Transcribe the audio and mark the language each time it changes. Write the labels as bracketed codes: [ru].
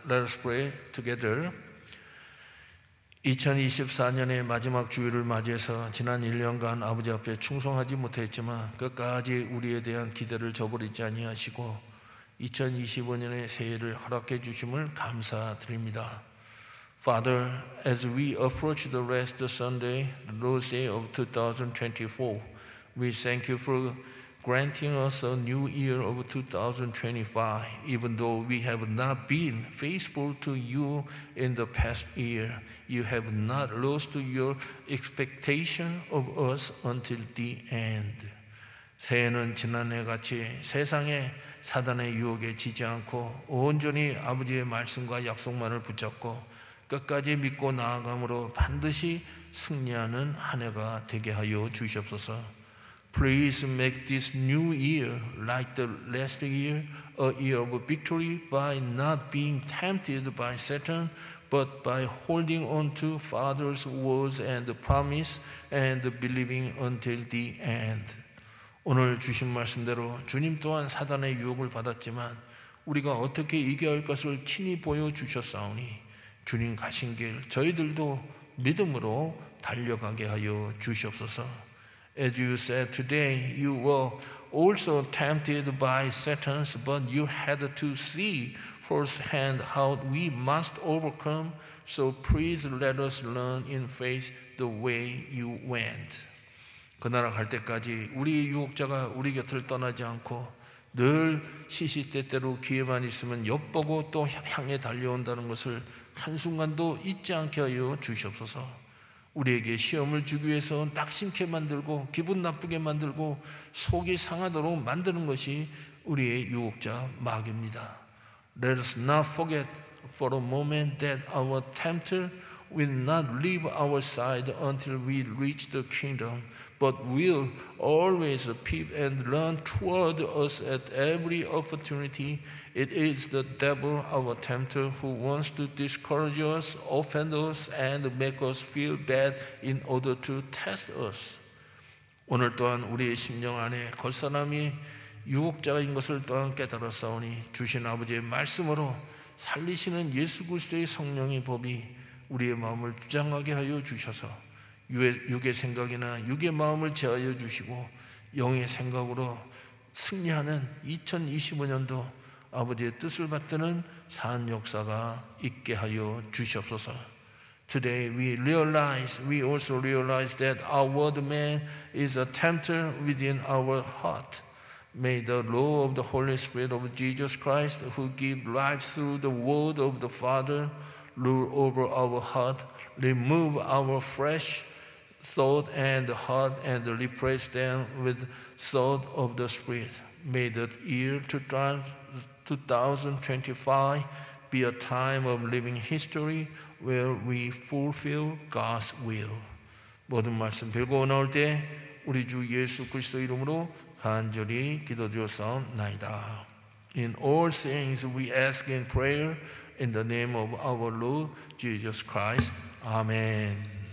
[en] Let us pray together. [ko] 2024년의 마지막 주일을 맞이해서 지난 1년간 아버지 앞에 충성하지 못했지만 끝까지 우리에 대한 기대를 저버리지 아니하시고 2025년의 새해를 허락해 주심을 감사드립니다. [en] Father, as we approach the rest of Sunday, the Lord's Day of 2024, we thank you for granting us a new year of 2025. Even though we have not been faithful to you in the past year, you have not lost your expectation of us until the end. [ko] 새해는 지난해 같이 세상에 사단의 유혹에 지지 않고 온전히 아버지의 말씀과 약속만을 붙잡고 끝까지 믿고 나아감으로 반드시 승리하는 한 해가 되게 하여 주시옵소서. [en] Please make this new year like the last year, a year of victory by not being tempted by Satan, but by holding on to Father's words and promise and believing until the end. [ko] 오늘 주신 말씀대로 주님 또한 사단의 유혹을 받았지만 우리가 어떻게 이겨야 할 것을 친히 보여주셨사오니 주님 가신 길 저희들도 믿음으로 달려가게 하여 주시옵소서. [en] As you said today, you were also tempted by Satan, but you had to see firsthand how we must overcome. So please let us learn in faith the way you went. [ko] 그 나라 갈 때까지 우리 유혹자가 우리 곁을 떠나지 않고 늘 시시때때로 기회만 있으면 엿보고 또 향해 달려온다는 것을 한순간도 잊지 않게 하여 주시옵소서. 우리에게 시험을 주기 위해서 낙심케 만들고 기분 나쁘게 만들고 속이 상하도록 만드는 것이 우리의 유혹자 마귀입니다. [en] Let us not forget for a moment that our tempter will not leave our side until we reach the kingdom, but will always peep and run toward us at every opportunity. It is the devil, our tempter, who wants to discourage us, offend us, and make us feel bad in order to test us. [ko] 오늘 또한 우리의 심령 안에 겉사람이 유혹자인 것을 또한 깨달았사오니 주신 아버지의 말씀으로 살리시는 예수 그리스도의 성령의 법이 우리의 마음을 주장하게 하여 주셔서 육의 생각이나 육의 마음을 제하여 주시고 영의 생각으로 승리하는 2025년도 아버지의 뜻을 받드는 산 역사가 있게 하여 주시옵소서. [en] Today we realize, we also realize that our word man is a tempter within our heart. May the law of the Holy Spirit of Jesus Christ, who give life through the word of the Father, rule over our heart, remove our flesh thought and heart, and replace them with thought of the Spirit. May the year 2025 be a time of living history where we fulfill God's will. [ko] 모든 말씀 들고 나올 때 우리 주 예수 그리스도 이름으로 간절히 기도드렸사옵나이다. [en] In all things we ask in prayer in the name of our Lord Jesus Christ. Amen.